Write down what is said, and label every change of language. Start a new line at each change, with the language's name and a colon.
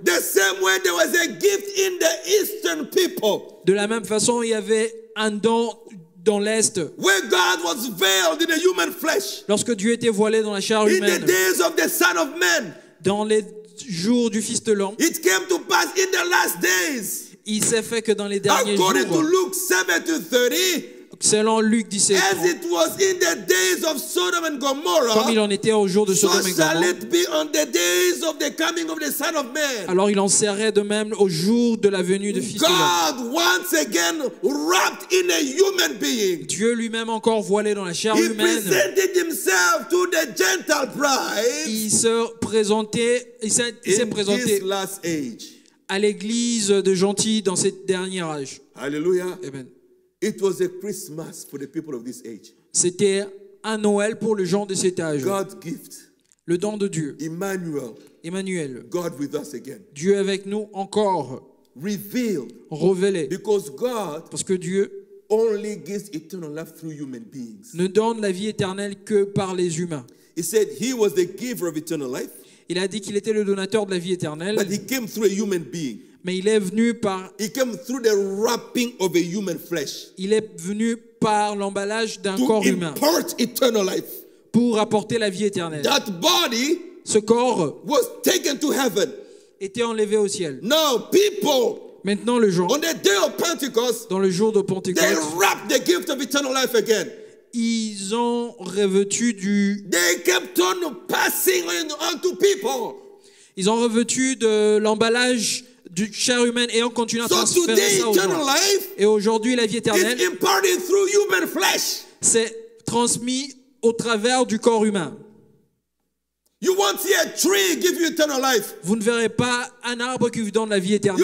English: The same way there was a gift in the eastern people.
French: De la même façon, il y avait un don dans l'Est.
English: Where God was veiled in the human flesh.
French: Lorsque Dieu était voilé dans la chair humaine.
English: In the days of the Son of Man.
French: Dans les jours du Fils de l'homme.
English: It came to pass in the last days.
French: Il s'est fait que dans les derniers jours.
English: According to Luke 7:30.
French: Selon Luc 17.
English: As it was in the days of Sodom and Gomorrah.
French: Comme il en était au jour de Sodome
English: et Gomorrhe. So shall it be on the days of the coming of the Son of Man.
French: Alors il en serait de même au jour de la venue du Fils de l'homme.
English: God once again wrapped in a human being.
French: Dieu lui-même encore voilé dans la chair humaine.
English: He presented himself to the Gentile bride.
French: Il s'est présenté.
English: In this last age.
French: À l'église de gentils dans cette dernière âge.
English: Hallelujah. Amen. It was a Christmas for the people of this age.
French: C'était un Noël pour les gens de cet âge.
English: God's gift.
French: Le don de Dieu.
English: Emmanuel.
French: Emmanuel.
English: God with us again.
French: Dieu avec nous encore.
English: Revealed.
French: Révélé.
English: Because God.
French: Parce que Dieu.
English: Only gives eternal life through human beings.
French: Ne donne la vie éternelle que par les humains.
English: He said he was the giver of eternal life.
French: Il a dit qu'il était le donateur de la vie éternelle.
English: But he came through a human being.
French: Mais il est venu par.
English: He came through the wrapping of a human flesh.
French: Il est venu par l'emballage d'un corps humain.
English: To impart eternal life.
French: Pour apporter la vie éternelle.
English: That body.
French: Ce corps.
English: Was taken to heaven.
French: Était enlevé au ciel.
English: Now people.
French: Maintenant le jour.
English: On the day of Pentecost.
French: Dans le jour de Pentecôte.
English: They wrap the gift of eternal life again.
French: ils ont revêtu du...
English: They kept on passing on to people.
French: Ils ont revêtu de l'emballage du chair humain et ont continué à transférer ça aux gens. Et aujourd'hui, la vie éternelle
English: is imparted through human flesh.
French: C'est transmis au travers du corps humain.
English: You won't see a tree give you eternal life.
French: Vous ne verrez pas un arbre qui vous donne la vie éternelle.